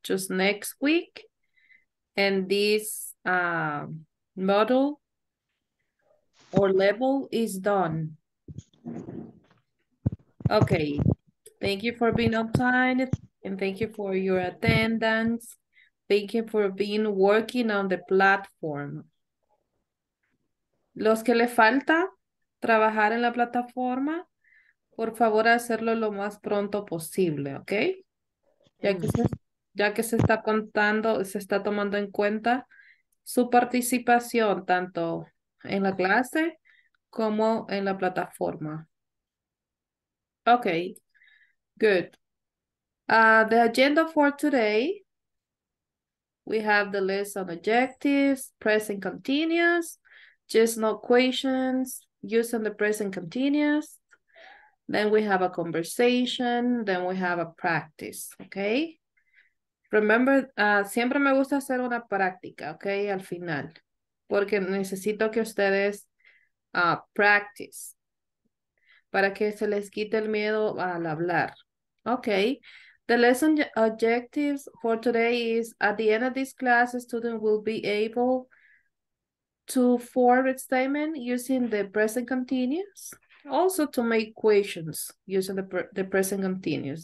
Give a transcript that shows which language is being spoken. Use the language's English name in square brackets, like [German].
[English] Just next week. And this model or level is done. Okay, thank you for being on time and thank you for your attendance. Thank you for being working on the platform. [Spanish] Los que le falta trabajar en la plataforma, por favor hacerlo lo más pronto posible, okay? Ya que se está contando, se está tomando en cuenta su participación tanto en la clase como en la plataforma. [English] Okay, good. The agenda for today, we have the list on objectives, present continuous, just no questions, using the present continuous. Then we have a conversation, then we have a practice, okay? [Spanish] Remember, siempre me gusta hacer una práctica, okay, al final, porque necesito que ustedes practice para que se les quite el miedo al hablar. [English] Okay, the lesson objectives for today is at the end of this class, a student will be able to form a statement using the present continuous, also to make questions using the present continuous.